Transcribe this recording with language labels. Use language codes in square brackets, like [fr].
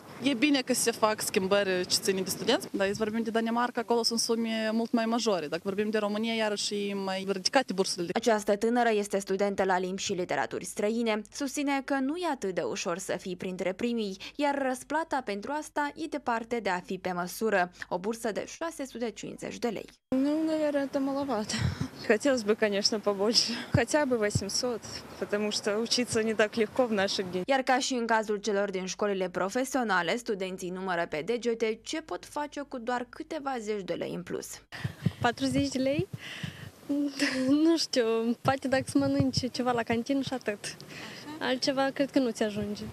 [ro] E bine că se fac schimbări ce ține de studenți, dar aici vorbim de Danemarca, acolo sunt sume mult mai majore. Dacă vorbim de România, iarăși mai ridicate bursele. Această tânără este studentă la limbi și literaturi străine. Susține că nu e atât de ușor să fii printre primii, iar răsplata pentru asta e departe de a fi pe măsură. O bursă de 650 de lei. [ru] Nu, наверное, это маловато. Хотелось бы, конечно, побольше. Хотя бы 800, потому что учиться не так легко в наши дни. [ro] Iar ca și în cazul celor din școlile profesionale, studenții numără pe degete ce pot face cu doar câteva zeci de lei în plus. 40 de lei? Nu știu, poate dacă să mănânci ceva la cantină și atât. Altceva cred că nu ți ajunge.